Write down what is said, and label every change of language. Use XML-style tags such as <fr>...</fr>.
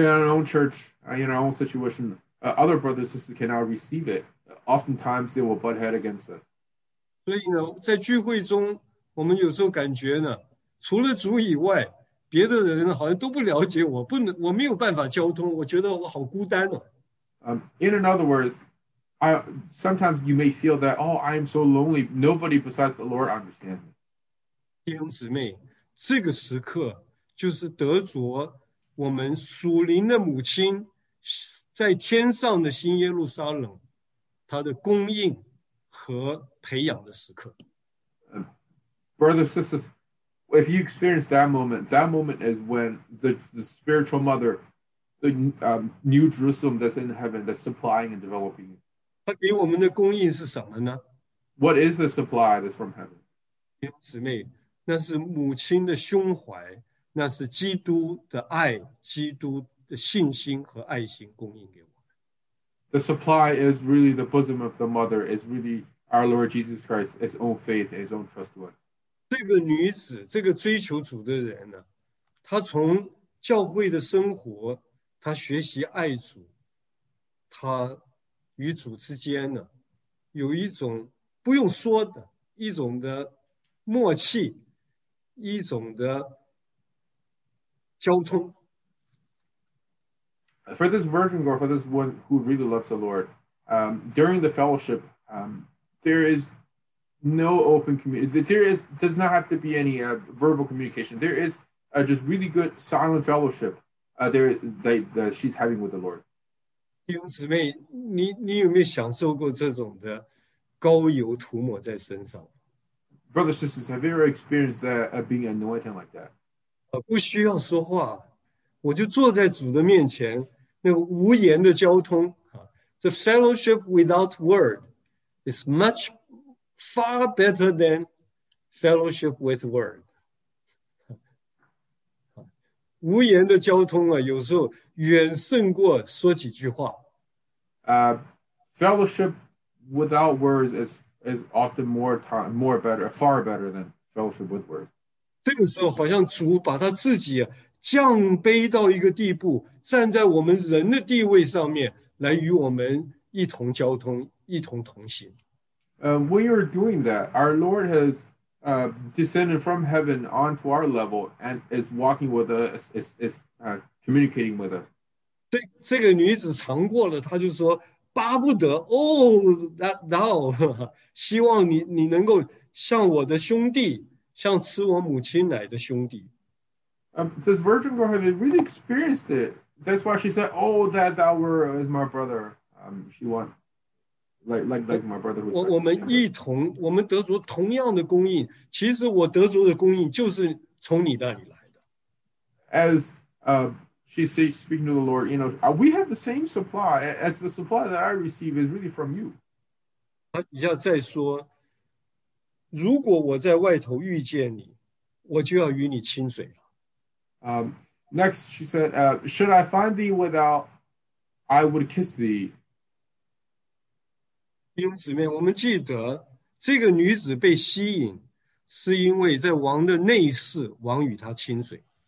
<en>in our own church, in our own situation, other brothers and sisters cannot receive it. Oftentimes they will butt head against us.</en> <zh>所以呢，在聚会中。我们有时候感觉呢，除了主以外，别的人好像都不了解我，不能，我没有办法交通，我觉得我好孤单哦。</zh> <en>In another words, sometimes you may feel that, oh, I am so lonely. Nobody besides the Lord understands me.</en> <zh>弟兄姊妹，这个时刻就是得着我们属灵的母亲在天上的新耶路撒冷他的供应和培养的时刻。</zh> <en>Brothers, sisters, if you experience that moment is when the spiritual mother, the new Jerusalem that's in heaven, that's supplying and developing you.</en> <zh>他给我们的供应是什么呢？</zh> <en>What is the supply that's from heaven?</en> <zh>弟兄姊妹，那是母亲的胸怀，那是基督的爱，基督的信心和爱心供应给我们。</zh> <en>The supply is really the bosom of the mother, is really our Lord Jesus Christ, his own faith, his own trust to us.</en> <zh>这个女子，这个追求主的人呢，她从教会的生活，她学习爱主，她与主之间呢，有一种不用说的一种的默契，一种的交通。</zh> <en>For this virgin girl, for this one who really loves the Lord, during the fellowship, there is. No open communication. There is, does not have to be any verbal communication. There is just really good silent fellowship there that she's having with the Lord.</en> <zh>弟兄姊妹，你有没有享受过这种的膏油涂抹在身上？</zh> <en>Brothers, sisters, have you ever experienced that being anointed like that?</en> <zh>不需要说话，我就坐在主的面前，那个无言的交通啊。</zh> <en>The fellowship without word is much. Far better than fellowship with word.</en> <zh>无言的交通啊，有时候远胜过说几句话。</zh> <en>Fellowship without words is often far better than fellowship with words.</en> <zh>这个时候好像主把他自己降卑到一个地步，站在我们人的地位上面来与我们一同交通，一同同行。</zh> <en>When you're doing that, our Lord has descended from heaven onto our level and is walking with us, communicating with us.</en> <zh>这个女子尝过了，她就说巴不得</zh> <en>that thou,</en> <zh>希望你能够像我的兄弟，像吃我母亲奶的兄弟。</zh> <en>This virgin girl had really experienced it. That's why she said, oh, that thou were is my brother. She won. Like my brother was.</en> <zh>我们得着同样的供应，其实我得着的供应就是从你那里来的。</zh> <en>As she's speaking to the Lord, you know, we have the same supply as the supply that I receive is really from you.</en> <zh>他底下再说，如果我在外头遇见你，我就要与你亲嘴了。</zh> <en>Next, she said, "Should I find thee without, I would kiss thee."</en> <zh>弟兄姊妹，我们记得这个女子被吸引，是因为在王的内室，王与她亲嘴。</zh>